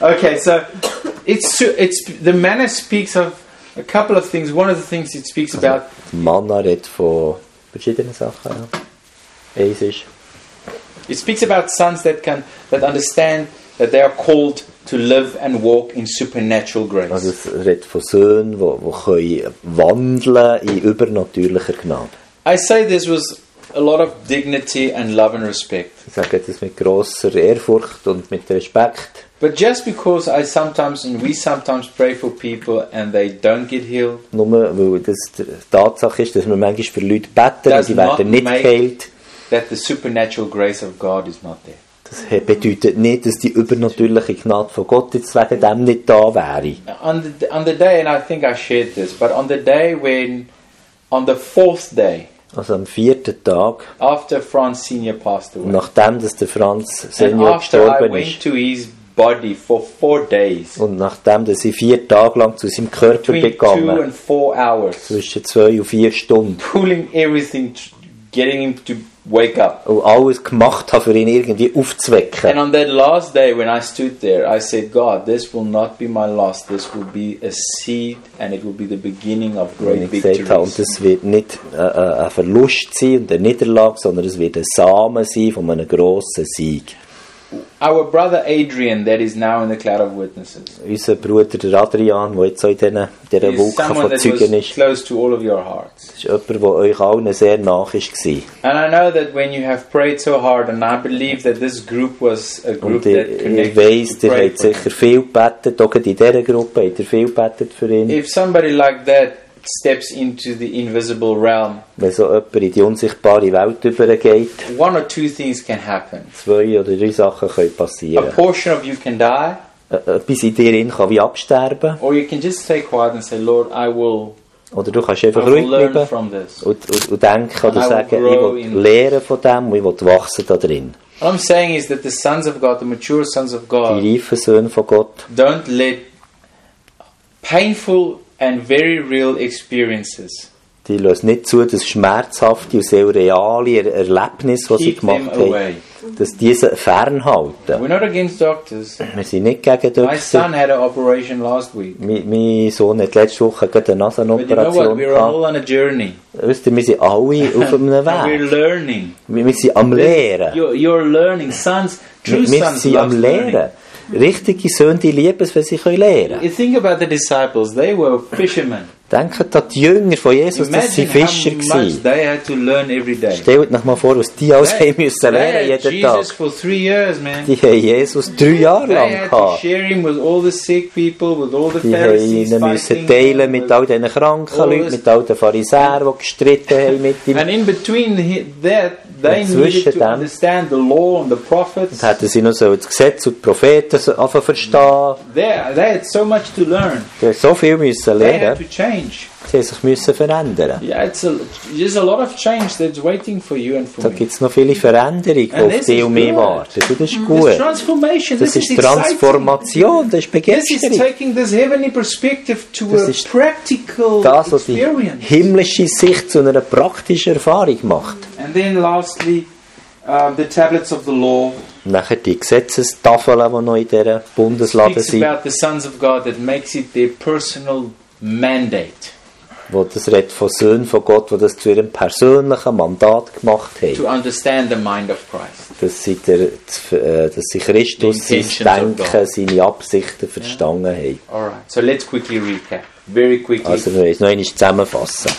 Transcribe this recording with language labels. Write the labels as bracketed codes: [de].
[en] Okay, so it's the manna speaks of a couple of things. One of the things it speaks about. [de] Manna redt von verschiedenen Sachen. Eins ist. [en] It speaks about sons that understand that they are called to live and walk in supernatural grace. [de] Also es redt von Söhnen, wo können wandeln in übernatürlicher Gnade. [en] I say this was a lot of dignity and love and respect. [de] Ich sage das mit grosser Ehrfurcht und mit Respekt. [en] But just because I sometimes and we sometimes pray for people and they don't get healed. [de] Nur weil das Tatsache ist, dass wir manchmal für Leute beten und sie werden nicht geheilt. [en] That the supernatural grace of God is not there. [de] Das bedeutet nicht, dass die übernatürliche Gnade von Gott jetzt wegen dem nicht da wäre. [en] On the day, and I think I shared this, but on the day when, on the fourth day, [de] also am vierten Tag, [en] after Franz Senior passed away, [de] nachdem dass der Franz Senior gestorben ist, [en] to his body for 4 days, [de] und nachdem dass ich 4 Tage lang zu seinem Körper gegangen, [en] 2 and 4 hours, [de] zwischen 2 und 4 Stunden, [en] pulling everything, getting him to wake up, [de] und alles gemacht habe, für ihn irgendwie aufzuwecken. [en] And on that last day, when I stood there, I said, God, this will not be my last. This will be a seed, and it will be the beginning of great victories. [de] Und ich sagte, und es wird nicht ein Verlust sein und eine Niederlage, sondern es wird ein Samen sein von einem grossen Sieg. [en] Our brother Adrian, that is now in the cloud of witnesses. [de] Unser Bruder der Adrian, wo jetzt so in der Wolke von Zeugen ist. [en] Close to all of your hearts. [de] Ist jemand, wo euch allen sehr nah ist gsi. [en] And I know that when you have prayed so hard, and I believe that this group was a group that connected. [de] Ich weiß, ihr habt sicher viel betet, auch in dieser Gruppe, habt ihr viel betet für ihn. [en] If somebody like that steps into the invisible realm, [de] wenn so jemand in die unsichtbare Welt übergeht, [en] one or two things can happen. [de] 2 oder 3 Sachen können passieren. [en] A portion of you can die. [de] Etwas in dir kann wie absterben. [en] Or you can just stay quiet and say, Lord, I will. [de] Oder du kannst einfach ruhig bleiben und denken oder sagen, ich will lernen von dem, ich will wachsen da drin. [en] What I'm saying is that the sons of God, the mature sons of God, [de] die reifen Söhne von Gott, [en] don't let painful and very real experiences. [de] Die lassen nicht zu, dass schmerzhafte und sehr reale Erlebnisse, die sie gemacht haben, dass diese fernhalten. [en] We're not against doctors. [de] Wir sind nicht gegen Doktoren. [en] My son had an operation last week. [de] Mein Sohn hat letzte Woche eine Nasenoperation gehabt. [en] But you know what? We're all on a journey. [de] Wisst ihr, wir sind alle auf einem Weg. [en] We're learning. [de] Wir sind am Lehren. [en] You're learning. Sons, true sons, [de] wir sind am Lehren. Richtige Söhne, die lieben es, wenn sie können lernen. [en] You think about the disciples, they were fishermen. [de] Denkt an die Jünger von Jesus, [en] imagine, [de] dass sie Fischer waren. Stellt euch mal vor, was die alles haben müssen lernen jeden Tag. [en] Jesus for 3 years, man. [de] Die haben Jesus 3 Jahre lang gehabt. [en] They had to share him with all the sick people, with all the [de] die [en] Pharisees. [de] Die mussten teilen mit all den kranken Leuten, mit all den Pharisäern, die gestritten haben mit ihm. [en] And in between that, they needed to understand the law and the prophets. [de] Und hätten sie noch so das Gesetz und die Propheten anfangen verstehen. [en] They had so much to learn. [de] Die haben so viel müssen lernen. [en] They had to change. [de] Sie haben sich müssen verändern. [en] Yeah, there's a lot of change that's waiting for you and for me. [de] Da gibt's noch viele Veränderungen, die auf dich und mich warten. Das ist gut. [en] This transformation. [de] Das ist Transformation. [en] This is exciting. [de] Das ist Begeisterung. [en] This is taking this heavenly perspective to a practical [de] das, was [en] experience. [de] Die himmlische Sicht zu einer praktischen Erfahrung macht. [en] And then lastly, the tablets of the law. [de] Nachher die Gesetzestafeln, die noch in dieser Bundeslade sind. [en] Speaks about the sons of God that makes it their personal mandate. [de] Wo das redt von Söhnen von Gott, wo das zu ihrem persönlichen Mandat gemacht hat. [en] To understand the mind of Christ. [de] Dass sie Christus, sein Denken, seine Absichten verstanden haben. [en] Alright, so let's quickly recap. Very quickly. [de] Also wir müssen noch einmal zusammenfassen.